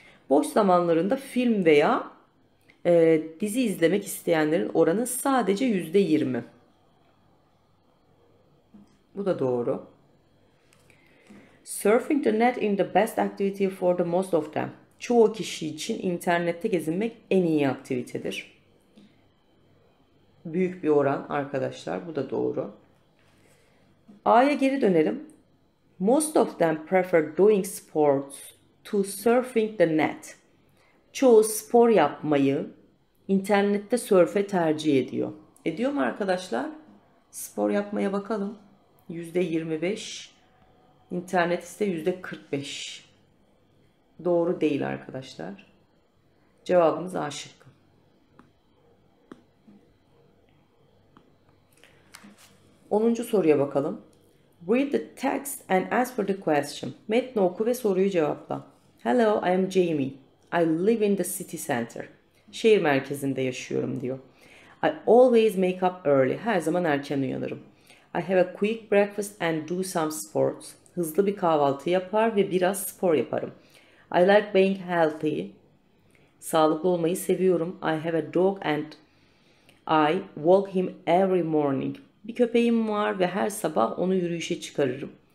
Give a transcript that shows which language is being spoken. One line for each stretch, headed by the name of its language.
Turkish: Boş zamanlarında film veya dizi izlemek isteyenlerin oranı sadece %20. Bu da doğru.
English: Surfing the net is the best activity for the most of them.
Turkish: Çoğu kişi için internette gezinmek en iyi aktivitedir. Büyük bir oran arkadaşlar. Bu da doğru. A'ya geri dönelim.
English: Most of them prefer doing sports to surfing the net.
Turkish: Çoğu spor yapmayı internette sörfe tercih ediyor. Ediyor mu arkadaşlar? Spor yapmaya bakalım. %25. İnternet ise %45. Doğru değil arkadaşlar. Cevabımız A şıkkı. Onuncu soruya bakalım.
English: Read the text and answer the question.
Turkish: Metni oku ve soruyu cevapla.
English: Hello, I am Jamie. I live in the city center.
Turkish: Şehir merkezinde yaşıyorum diyor.
English: I always make up early.
Turkish: Her zaman erken uyanırım.
English: I have a quick breakfast and do some sports.
Turkish: Hızlı bir kahvaltı yapar ve biraz spor yaparım.
English: I like being healthy.
Turkish: Sağlıklı olmayı seviyorum.
English: I have a dog and I walk him every morning.
Turkish: Bir köpeğim var ve her sabah onu yürüyüşe çıkarırım.